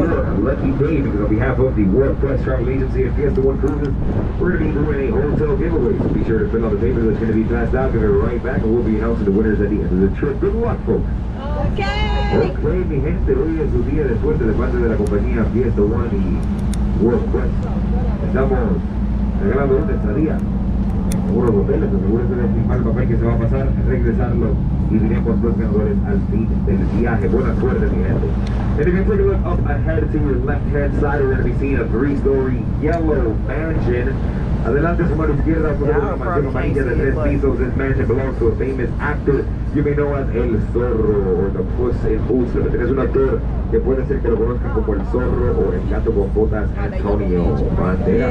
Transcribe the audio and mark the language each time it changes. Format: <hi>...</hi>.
<en>Lucky day, because on behalf of the World Press Travel Agency and Fiesta One Cruises, we're going to be doing a hotel giveaway. So be sure to fill out the paper that's going to be passed out. Going to be right back, and we'll be announcing the winners at the end of the trip. Good luck, folks. Okay,</en> <es>mi gente, hoy es su día de suerte de parte de la compañía Fiesta One y World Press. Estamos regalando una estadía. Unos hoteles, asegúrense de firmar el papel que se va a pasar, regresarlo y diremos los ganadores al fin del viaje. Buena suerte, mi gente.</es> <en>And if you take a look up ahead to your left hand side, we're going to be seeing a three-story yellow mansion.</en> <es>Adelante, su mano izquierda, por favor, mansión amarilla de tres pisos.</es> <en>This mansion belongs to a famous actor. You may know as El Zorro or the Puss in Boots.</en> <es>Pero tenés un actor que puede ser que lo conozcan como El Zorro o El Gato con Botas, Antonio Banderas.</es>